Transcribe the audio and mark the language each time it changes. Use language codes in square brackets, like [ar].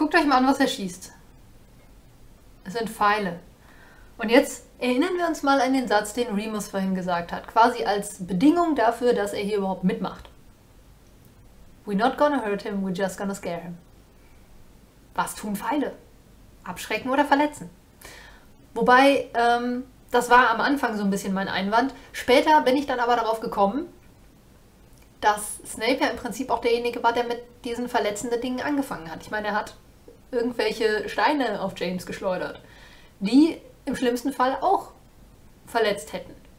[de] An, was er schießt. Es sind Pfeile. Und jetzt erinnern wir uns mal an den Satz, den Remus vorhin gesagt hat, quasi als Bedingung dafür, dass er hier überhaupt mitmacht. [en] We're not gonna hurt him, we're just gonna scare him. [de] Was tun Pfeile? Abschrecken oder verletzen? Wobei, das war am Anfang so ein bisschen mein Einwand. Später bin ich dann aber darauf gekommen, dass Snape ja im Prinzip auch derjenige war, der mit diesen verletzenden Dingen angefangen hat. Ich meine, er hat irgendwelche Steine auf James geschleudert, die im schlimmsten Fall auch verletzt hätten.